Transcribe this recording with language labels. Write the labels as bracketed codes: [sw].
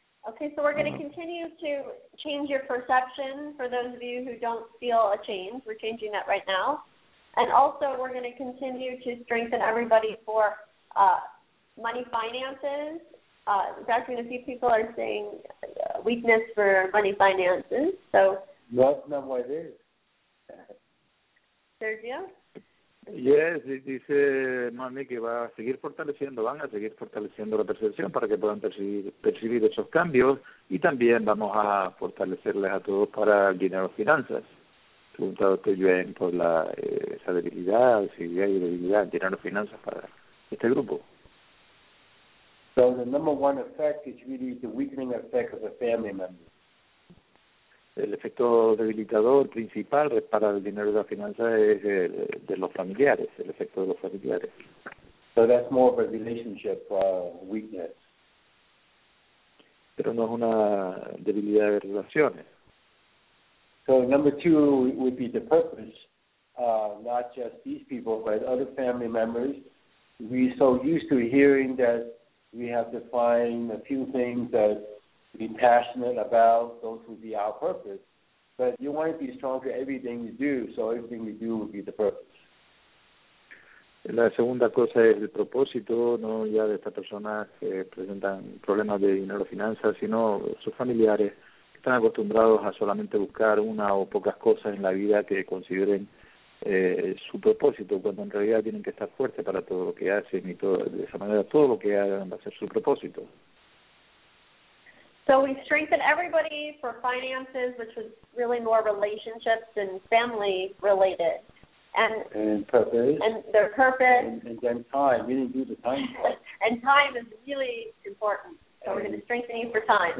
[en] Okay, so we're going to continue to change your perception for those of you who don't feel a change. We're changing that right now. And also, we're going to continue to strengthen everybody for money finances. Actually, a few people are saying weakness for money finances. So that's not what it is. Sergio? [es] Yes, dice Mami que va a seguir fortaleciendo, van a seguir fortaleciendo la percepción para que puedan percibir esos cambios, y también vamos a fortalecerles a todos para el dinero y finanzas. Preguntado que yo en por la esa debilidad, si hay debilidad, dinero y finanzas para este grupo. [en] So the number one effect is really the weakening effect of a family member. [es] El efecto debilitador principal para el dinero de la finanza es de los familiares, el efecto de los familiares. [en] So that's more of a relationship weakness. [es] Pero no es una debilidad de relaciones. [en] So number two would be the purpose, not just these people, but other family members. We're so used to hearing that we have to find a few things that be passionate about, those would be our purpose. But you want to be strong for everything you do, so everything you do would be the purpose. [es] La segunda cosa es el propósito, no ya de estas personas que presentan problemas de dinero o finanzas, sino sus familiares que están acostumbrados a solamente buscar una o pocas cosas en la vida que consideren su propósito, cuando en realidad tienen que estar fuertes para todo lo que hacen y todo, de esa manera todo lo que hagan va a ser su propósito. [en] So we strengthen everybody for finances, which was really more relationships and family related. And purpose. And their purpose. And time. We didn't do the time. And time is really important. So we're going to strengthen you for time.